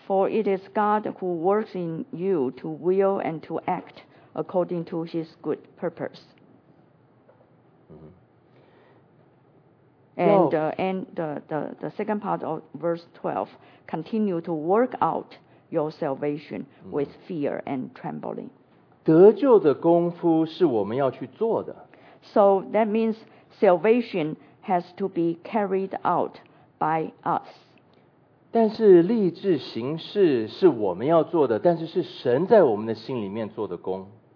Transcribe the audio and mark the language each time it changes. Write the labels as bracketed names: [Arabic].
[English] it is God who works in you to will and to act according to his good purpose. And the second part of verse 12, continue to work out your salvation with fear and trembling. [Chinese] 得救的功夫是我们要去做的。 [English] So that means salvation has to be carried out by us. [Chinese] 但是立志行事是我们要做的，但是是神在我们的心里面做的功。